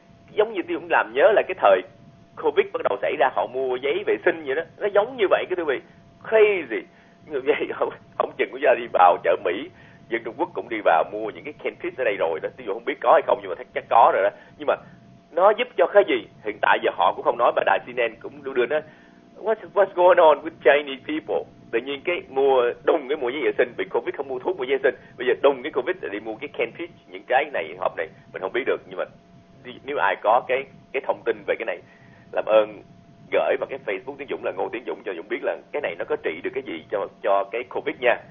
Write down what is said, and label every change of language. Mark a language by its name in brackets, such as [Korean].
[Vietnamese] Giống như tôi cũng làm nhớ là cái thời COVID bắt đầu xảy ra, họ mua giấy vệ sinh vậy đó. Nó giống như vậy, các thưa quý vị. Crazy. Người vậy, không chừng của gia đi vào chợ Mỹ, dân Trung Quốc cũng đi vào mua những cái canned peach ở đây rồi đó. Tôi không biết có hay không, nhưng mà chắc có rồi đó. Nhưng mà nó giúp cho cái gì? Hiện tại giờ họ cũng không nói, mà đài CNN cũng đưa nó. [English] What's going on with Chinese people? [Vietnamese] Tự nhiên cái mua, đùng cái mua giấy vệ sinh, bị COVID không mua thuốc mua giấy vệ sinh. Bây giờ đùng cái COVID để đi mua cái canned peach, những cái này, hộp này, mình không biết được, nhưng mà nếu ai có cái thông tin về cái này, làm ơn gửi vào cái Facebook Tiến Dũng là Ngô Tiến Dũng cho Dũng biết là cái này nó có trị được cái gì cho cái COVID nha.